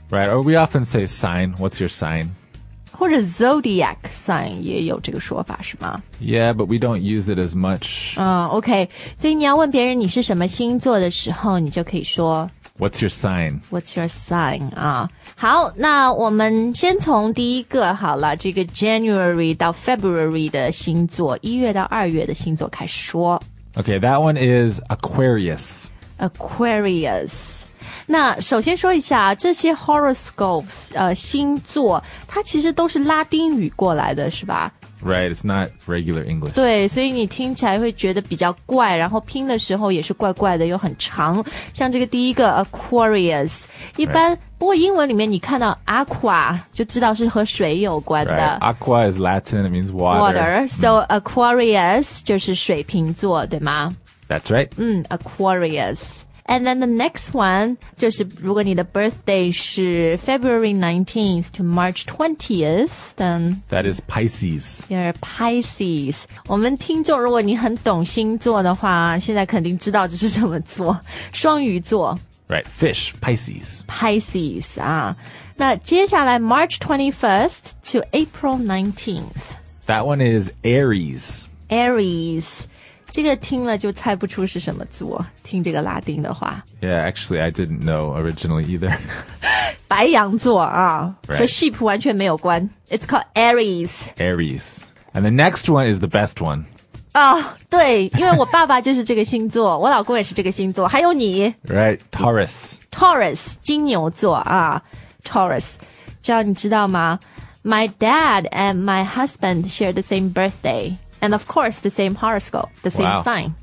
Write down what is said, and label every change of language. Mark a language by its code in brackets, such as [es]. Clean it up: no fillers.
[en] Right, or we often say sign, what's your sign? [zh] 或者 zodiac sign 也有这个说法是吗 [en] Yeah, but we don't use it as much. OK. [zh] 所以你要问别人你是什么星座的时候你就可以说 [en] What's your sign? What's your sign? [zh] 好那我们先从第一个好了这个 January 到 February 的星座1月到2月的星座开始说 [en] OK, that one is Aquarius. [zh] Aquarius. 那首先说一下这些 horoscopes, 星座它其实都是拉丁语过来的是吧 [en] Right, it's not regular English. [zh] 对所以你听起来会觉得比较怪然后拼的时候也是怪怪的又很长。像这个第一个 Aquarius, 一般、 [en] right. [zh] 不过英文里面你看到 aqua, 就知道是和水有关的。 [en] Right. Aqua is Latin, it means water. Water, so Aquarius [zh] 就是水瓶座对吗 [en] That's right. Aquarius. And then the next one, [zh] 就是如果你的 [en] birthday 是 February 19th to March 20th, then... That is Pisces. You're Pisces. [zh] 我们听众如果你很懂星座的话现在肯定知道这是什么座。双鱼座。 [en] Right, fish, Pisces. Pisces, [zh] 啊。那接下来 [en] March 21st to April 19th. That one is Aries. Aries. [zh] 这个听了就猜不出是什么座听这个拉丁的话 [en] Yeah, actually, I didn't know originally either [zh] 白羊座啊、 [en] right. [zh] 和 [en] sheep [zh] 完全没有关 [en] It's called Aries Aries And the next one is the best one [zh] 啊、 [en] oh, [zh] 对因为我爸爸就是这个星座我老公也是这个星座还有你 [en] Right, Taurus Taurus, [zh] 金牛座啊 [en] Taurus [zh] 这样你知道吗 [en] My dad and my husband share the same birthdayAnd of course, the same horoscope, the same sign.